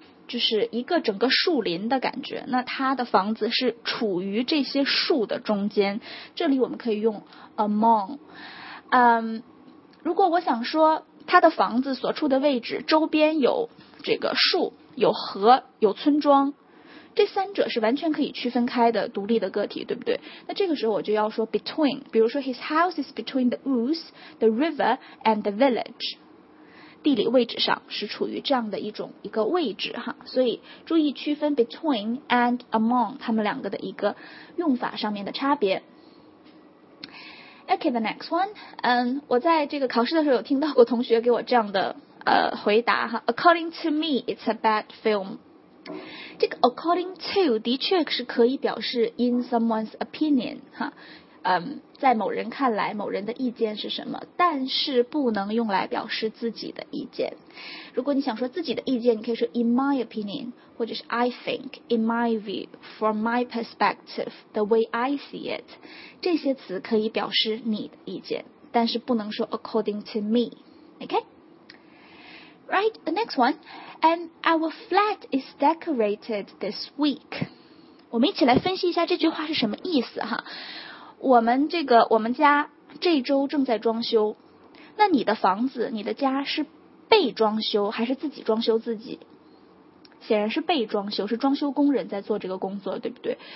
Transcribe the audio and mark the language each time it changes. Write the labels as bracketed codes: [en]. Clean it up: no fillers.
[zh] 就是一个整个树林的感觉，那他的房子是处于这些树的中间，这里我们可以用 among。如果我想说他的房子所处的位置周边有这个树、有河、有村庄，这三者是完全可以区分开的独立的个体，对不对？那这个时候我就要说 between， 比如说 [en] his house is between the woods, the river and the village。 [zh] 地理位置上是处于这样的一种一个位置哈，所以注意区分 between and among 他们两个的一个用法上面的差别。 [en] Okay, the next one. [zh] 我在这个考试的时候有听到过同学给我这样的回答哈。 [en] According to me, it's a bad film. [zh] 这个 according to 的确是可以表示 in someone's opinion 哈。在某人看来，某人的意见是什么，但是不能用来表示自己的意见。如果你想说自己的意见，你可以说 in my opinion， 或者是 I think， in my view， from my perspective， [en] the way I see it， [zh] 这些词可以表示你的意见，但是不能说 according to me。 [en] OK， right， the next one， and our flat is decorated this week。 [zh] 我们一起来分析一下这句话是什么意思哈。我们家这周正在装修，那你的房子、你的家是被装修还是自己装修自己？显然是被装修，是装修工人在做这个工作，对不对？